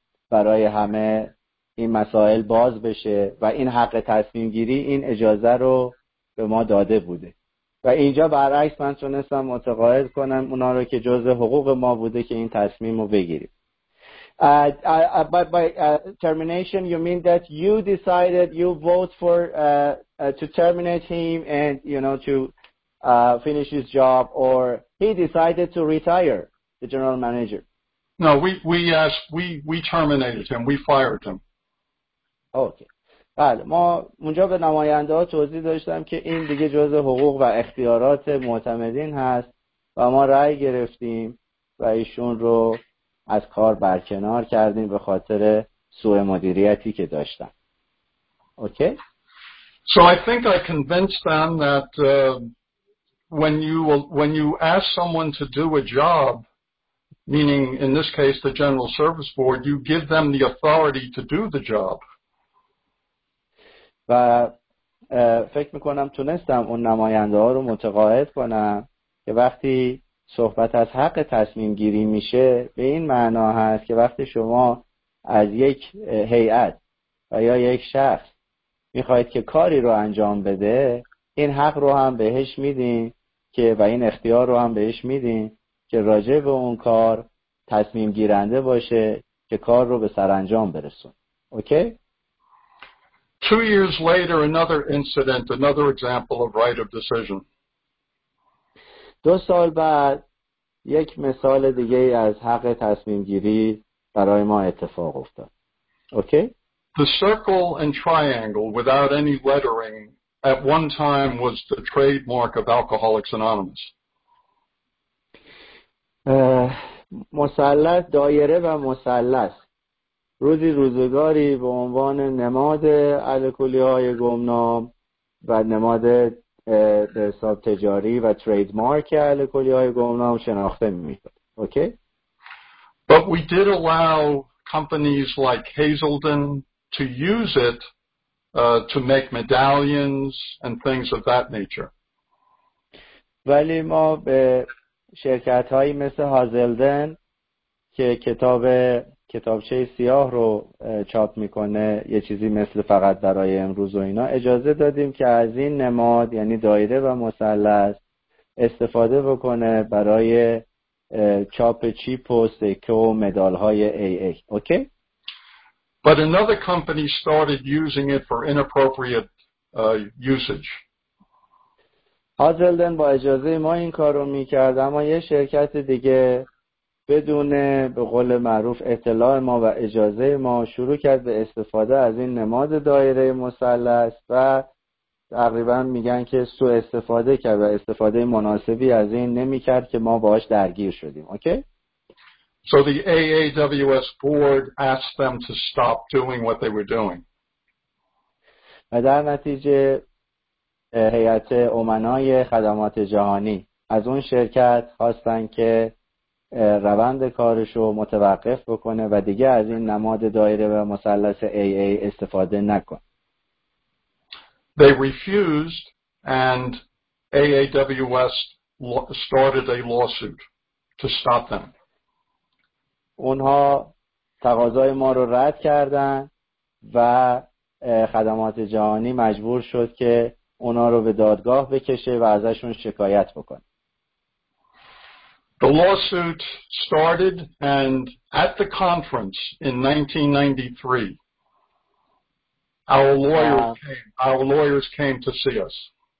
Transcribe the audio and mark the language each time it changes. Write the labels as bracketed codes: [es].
[fa] برای همه این مسائل باز بشه و این حق تصمیم گیری این اجازه رو به ما داده بوده و اینجا برعکس من تونستم متقاعد کنم اونا رو که جزء حقوق ما بوده که این تصمیم رو بگیریم. [en] By termination you mean that you decided you vote for to terminate him and you know to finish his job, or he decided to retire, the general manager. No, we terminated him. We fired him. Okay. [fa] بله ما اونجا به نماینده ها توضیح داشتم که این دیگه جزء حقوق و اختیارات معتمدین هست و ما رأی گرفتیم و ایشون رو از کار برکنار کردیم به خاطر سوء مدیریتی که داشتن. [en] Okay. So I think I convinced them that When you ask someone to do a job, meaning in this case the General Service Board, you give them the authority to do the job. [fa] و فکر میکنم تونستم اون نماینده ها رو متقاعد کنم که وقتی صحبت از حق تصمیم گیری میشه به این معنا هست که وقتی شما از یک هیئت و یا یک شخص میخواید که کاری رو انجام بده این حق رو هم بهش میدین که و این اختیار رو هم بهش میدین که راجع به اون کار تصمیم گیرنده باشه که کار رو به سرانجام برسون. [en] Okay? Two years later, another incident, another example of right of decision. [fa] دو سال بعد یک مثال دیگه از حق تصمیم گیری برای ما اتفاق افتاد. [en] Okay? The circle and triangle without any lettering at one time was the trademark of Alcoholics Anonymous. [fa] مثلث دایره و مثلث روزی روزگاری به عنوان نماد الکلی‌های گمنام و نماد به حساب تجاری و ترید مارک الکلی‌های گمنام شناخته می‌شد. [en] Okay? But we did allow companies like Hazelden to use it to make medallions and things of that nature. [fa] ولی ما به شرکت‌هایی مثل هازلدن که کتابچه سیاه رو چاپ می‌کنه یه چیزی مثل فقط برای امروز و اینا اجازه دادیم که از این نماد یعنی دایره و مثلث استفاده بکنه برای چاپ چیپ و سکه و مدال‌های AA. [en] Okay? But another company started using it for inappropriate usage. [fa] Hazelden با اجازه ما این کارو میکرد اما یه شرکت دیگه بدون به قول معروف اطلاع ما و اجازه ما شروع کرد به استفاده از این نماد دایره مثلث و تقریبا میگن که سوء استفاده کرد و استفاده مناسبی از این نمیکرد که ما باهاش درگیر شدیم. [en] Okay? So the AAWS board asked them to stop doing what they were doing. [fa] و در نتیجه هیئت امنای خدمات جهانی از اون شرکت خواستن که روند کارش رو متوقف بکنه و دیگه از این نماد دایره و مثلث AA استفاده نکنه. [en] They refused and AAWS started a lawsuit to stop them. [fa] اونها تقاضای ما رو رد کردن و خدمات جهانی مجبور شد که اونا رو به دادگاه بکشه و ازشون شکایت بکنه. [en] The lawsuit started and at the conference in 1993 our lawyers came to see us.